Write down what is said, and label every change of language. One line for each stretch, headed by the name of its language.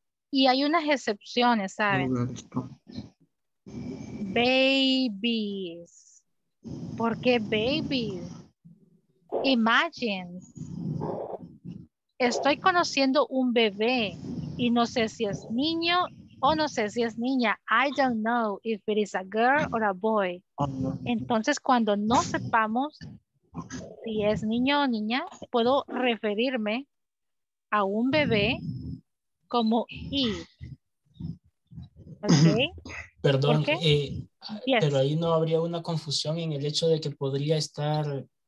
Spanish: Y hay unas excepciones, ¿saben? Babies. ¿Por qué babies? Imagine. Estoy conociendo un bebé y no sé si es niño o no sé si es niña.
English: I don't know if it is a girl or a boy.
Spanish: Entonces, cuando no sepamos si es niño o niña, puedo referirme a un bebé como he.
English: Okay.
Spanish: Perdón, yes. Pero ahí no habría una confusión en el hecho de que podría estar...